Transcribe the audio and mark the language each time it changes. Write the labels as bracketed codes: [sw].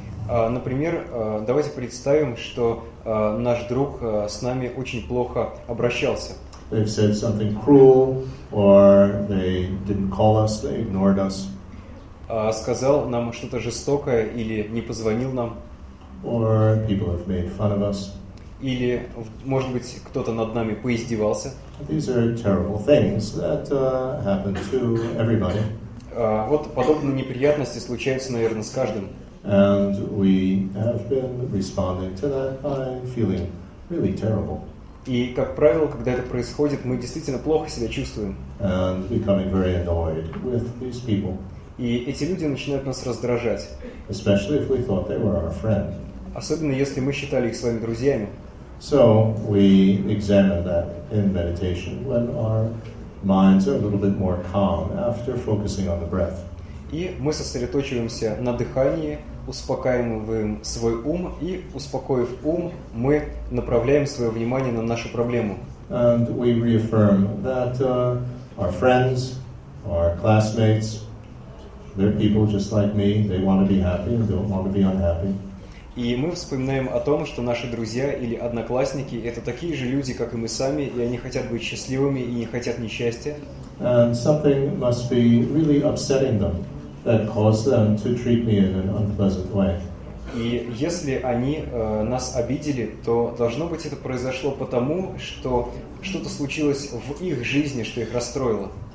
[ru] Например, давайте представим, что наш друг с нами очень плохо обращался. [en] They've said something cruel, or they didn't call us, they ignored us. [ru] Сказал нам что-то жестокое или не позвонил нам. [en] Or people have made fun of us. [ru] Или, может быть, кто-то над нами поиздевался. [en] These are terrible things that happen to everybody. [ru] Вот подобные неприятности случаются, наверное, с каждым. [en] And we have been responding to that by feeling really terrible. [ru] И, как правило, когда это происходит, мы действительно плохо себя чувствуем. [en] And becoming very annoyed with these people. [ru] И эти люди начинают нас раздражать. [en] Especially if we thought they were our friend. [ru] Особенно если мы считали их своими друзьями. [en] So we examine that in meditation when our minds are a little bit more calm after focusing on the breath. [ru] И мы сосредоточиваемся на дыхании, успокаиваем свой ум, и, успокоив ум, мы направляем свое внимание на нашу проблему. [en] And we reaffirm that our friends, our classmates, they're people just like me, they want to be happy and don't want to be unhappy. [ru] И мы вспоминаем о том, что наши друзья или одноклассники — это такие же люди, как и мы сами, и они хотят быть счастливыми и не хотят несчастья. [en] And something must be really upsetting them that caused them to treat me in an unpleasant way. [ru] И если они нас обидели, то должно быть это произошло потому, что что-то случилось в их жизни, что их расстроило.